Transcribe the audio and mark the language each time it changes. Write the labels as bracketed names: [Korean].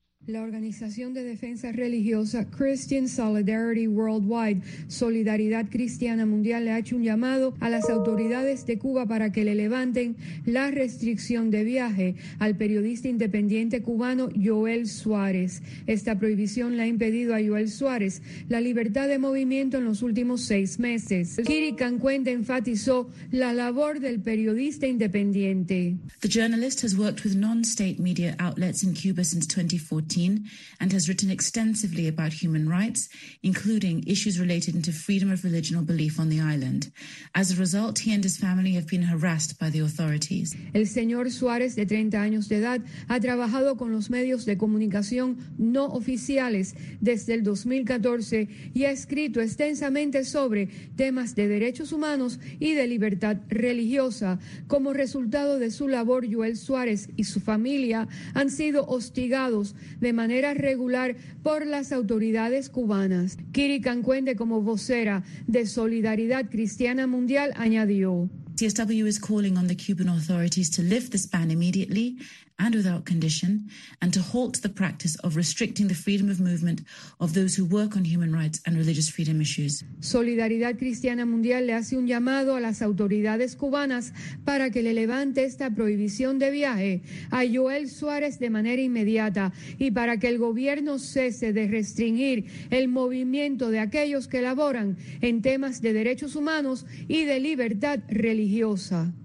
[Spanish] La organización de defensa religiosa Christian Solidarity Worldwide, Solidaridad Cristiana Mundial, le ha hecho un llamado a las autoridades de Cuba para que le levanten la restricción de viaje al periodista independiente cubano Joel Suárez. Esta prohibición le ha impedido a Joel Suárez la libertad de movimiento en los últimos 6 meses. Kiri Cancuente enfatizó la labor del periodista independiente. [English] The journalist has worked with non-state media outlets in Cuba since 2014. 2018 and has written extensively about human rights, including issues related to freedom of religion or belief on the island. As a result, he and his family have been harassed by the authorities. [Spanish] El señor Suárez, de 30 años de edad, ha trabajado con los medios de comunicación no oficiales desde el 2014 y ha escrito extensamente sobre temas de derechos humanos y de libertad religiosa. Como resultado de su labor, Joel Suárez y su familia han sido hostigados de manera regular por las autoridades cubanas. Kiri Cancuente, como vocera de Solidaridad Cristiana Mundial, añadió. [English] CSW is calling on the Cuban authorities to lift the ban immediately and without condition, and to halt the practice of restricting the freedom of movement of those who work on human rights and religious freedom issues. [Spanish] Solidaridad Cristiana Mundial le hace un llamado a las autoridades cubanas para que le levante esta prohibición de viaje a Joel Suárez de manera inmediata y para que el gobierno cese de restringir el movimiento de aquellos que laboran en temas de derechos humanos y de libertad religiosa.